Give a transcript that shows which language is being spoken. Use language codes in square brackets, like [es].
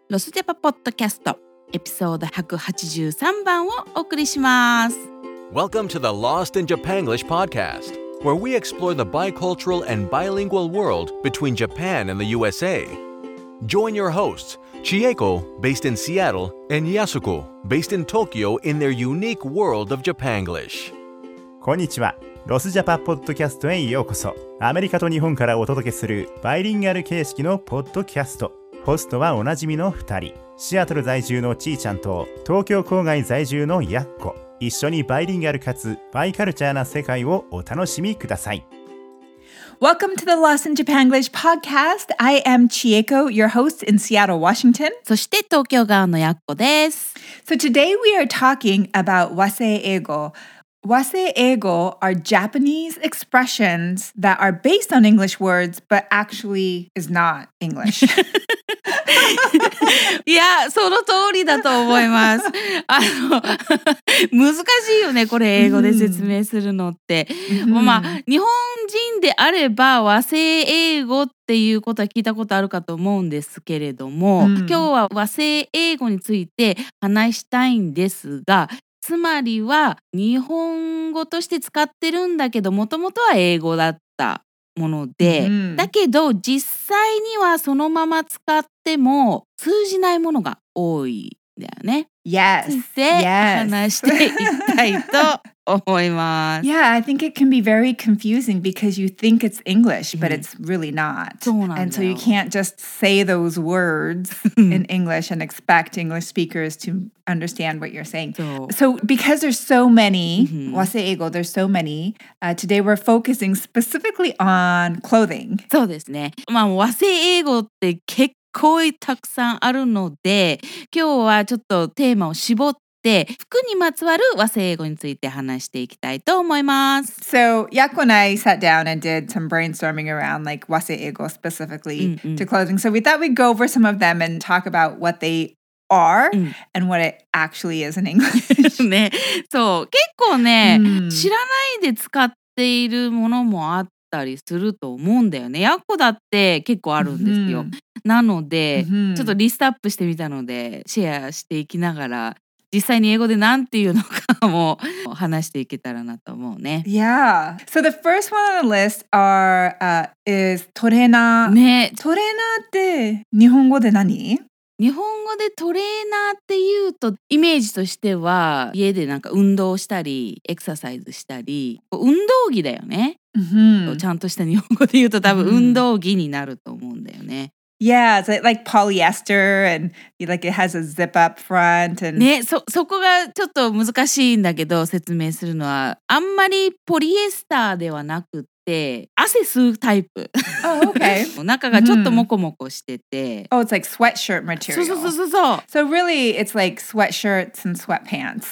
[ja] ロスジャパポッドキャスト、エピソード183番をお送りします。 [en] Welcome to the Lost in Japan English podcast, where we explore the bicultural and bilingual world between Japan and the USA. Join your hosts, Chieko, based in Seattle, and Yasuko, based in Tokyo, in their unique world of Japanglish. [ja] こんにちは。ロスジャパポッドキャストへようこそ。アメリカと日本からお届けするバイリンガル形式のポッドキャスト。ホストはおなじみの2人、シアトル在住のちーちゃんと東京郊外在住のやっこ。一緒にバイリンガルかつバイカルチャーな世界をお楽しみください。 [en] Welcome to the Lost in Japan English Podcast. I am Chieko, your host in Seattle, Washington. [ja] そして東京側のやっこです。 [en] So today we are talking about 和製英語。和製英語 are Japanese expressions that are based on English words, but actually is not English. [ja] いや、その通りだと思います。難しいよね、これ英語で説明するのって。まあ、日本人であれば和製英語っていうことは聞いたことあるかと思うんですけれども、今日は和製英語について話したいんですが、つまりは日本語として使ってるんだけど、もともとは英語だったもので、だけど実際にはそのまま使っても通じないものが多いんだよね。 [en] Yes. Yes. [ja] 話していきたいと思います。 [en] Yeah, I think it can be very confusing because you think it's English, but it's really not. [ja] そうなんだよ。 [en] And so you can't just say those words in English and expect English speakers to understand what you're saying. So because there's so many, 和製英語, there's so many, today we're focusing specifically on clothing. [ja] そうですね。まあ、和製英語って結構こういうたくさんあるので、今日はちょっとテーマを絞って服にまつわる和製英語について話していきたいと思います。 [en] So Yako and I sat down and did some brainstorming around like 和製英語 specifically to clothing. So we thought we'd go over some of them and talk about what they are and what it actually is in English. [ja] 、ね、そう結構ね、知らないで使っているものもあってたりすると思うんだよね。ヤッコだって結構あるんですよ。なので、ちょっとリストアップしてみたのでシェアしていきながら、実際に英語でなんていうのかも話していけたらなと思うね。 [en] Yeah. So the first one on the list are, is トレーナー。 [ja] ね。トレーナーって日本語で何？日本語でトレーナーっていうと、イメージとしては家でなんか運動したりエクササイズしたり、運動着だよね。ちゃんとした日本語で言うと多分運動着になると思うんだよね。 [en] Yeah, it's like polyester and like it has a zip up front and... [ja] ね、そこがちょっと難しいんだけど、説明するのはあんまりポリエスターではなくて、汗吸うタイプ。 [en] Oh, okay. [ja] 中がちょっとモコモコしてて。 [en] Oh, it's like sweatshirt material. [ja] そう。 [en] So really, it's like sweatshirts and sweatpants.